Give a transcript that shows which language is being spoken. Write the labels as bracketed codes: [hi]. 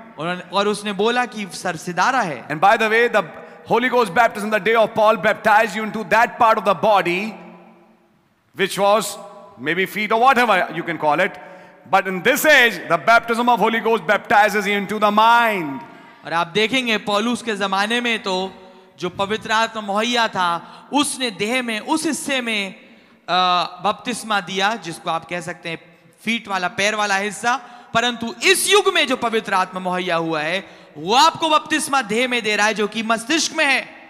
[hi] और उसने बोला कि सरसिदारा है। [en] And by the way, the Holy Ghost baptism, the day of Paul baptized you into that part of the body, which was maybe feet or whatever you can call it, but in this age, the baptism of Holy Ghost baptizes you into the mind. [hi] और आप देखेंगे पौलुस के जमाने में तो जो पवित्र आत्मा मुहैया था उसने देह में उस हिस्से में बपतिस्मा दिया जिसको आप कह सकते हैं फीट वाला, पैर वाला हिस्सा, परंतु इस युग में जो पवित्र आत्मा मुहैया हुआ है वो आपको बपतिस्मा देह में दे रहा है जो कि मस्तिष्क में है।